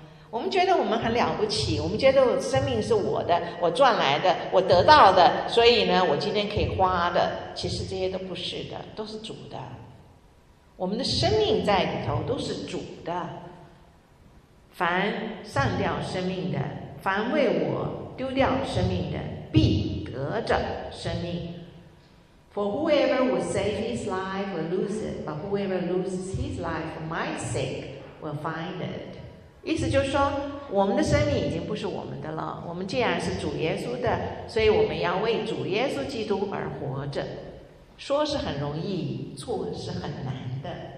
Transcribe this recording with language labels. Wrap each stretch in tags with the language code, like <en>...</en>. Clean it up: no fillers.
<zh>我们觉得我们很了不起，我们觉得生命是我的，我赚来的，我得到的，所以呢，我今天可以花的。其实这些都不是的，都是主的。我们的生命在里头都是主的。凡丧掉生命的，凡为我丢掉生命的，必得着生命。</zh> <en>For whoever will save his life will lose it, but whoever loses his life for my sake will find it.</en> <zh>意思就是说，我们的生命已经不是我们的了。我们既然是主耶稣的，所以我们要为主耶稣基督而活着。说是很容易，做是很难的。</zh>